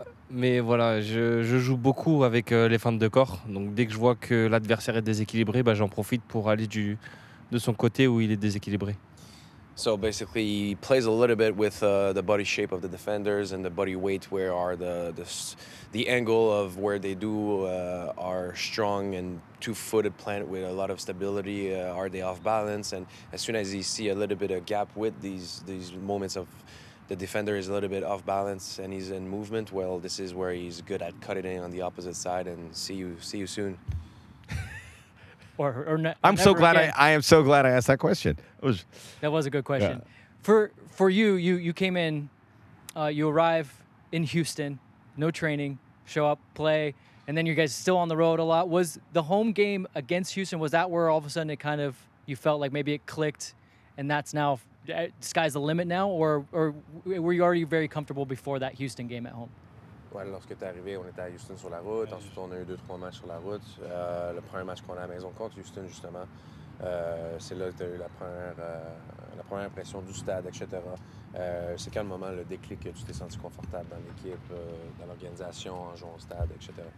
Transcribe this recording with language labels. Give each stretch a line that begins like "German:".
French: Mais voilà, je joue beaucoup avec les fins de corps. Donc dès que je vois que l'adversaire est déséquilibré, j'en profite pour aller de son côté où il est déséquilibré.
English: So basically, he plays a little bit with the body shape of the defenders and the body weight, where are the angle of where they do are strong and two-footed plant with a lot of stability. Are they off balance? And as soon as he see a little bit of gap with these moments of the defender is a little bit off balance and he's in movement, well, this is where he's good at cutting in on the opposite side, and see you soon. I'm so glad I asked that question. That was a good question. Yeah. For you, you came in, you arrive in Houston, no training, show up, play, and then you guys still on the road a lot. Was the home game against Houston, was that where all of a sudden it kind of, you felt like maybe it clicked and that's now, sky's the limit now, or were you already very comfortable before that Houston game at home?
French: Ouais, lorsque t'es arrivé, on était à Houston sur la route. Ensuite, on a eu 2-3 matchs sur la route. Le premier match qu'on a à la maison contre Houston, justement, c'est là que t'as eu la première impression du stade, etc. C'est quel moment le déclic que tu t'es senti confortable dans l'équipe, dans l'organisation, en jouant au stade, etc.